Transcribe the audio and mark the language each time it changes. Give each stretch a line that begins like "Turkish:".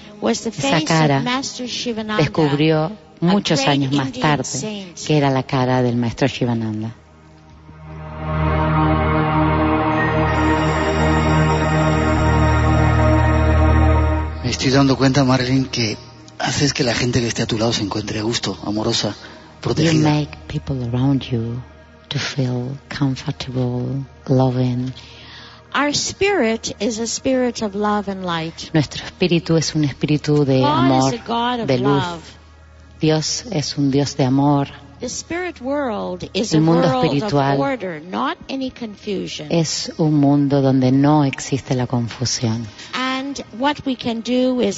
Spanish: Esa cara descubrió muchos años más tarde que era la cara del maestro Shivananda. Me estoy dando cuenta, Marilyn, que haces que la gente que esté a tu lado se encuentre a gusto, amorosa, protegida.
English: You make people around you to feel comfortable, loving. Our spirit is a spirit of love and light.
Spanish: Nuestro espíritu es un espíritu de amor, de luz. Dios es un Dios de amor.
English: The spirit world is
Spanish: El mundo
English: world
Spanish: espiritual
English: of order, not any confusion.
Spanish: Es un mundo donde no existe la confusión.
English: And what we can do is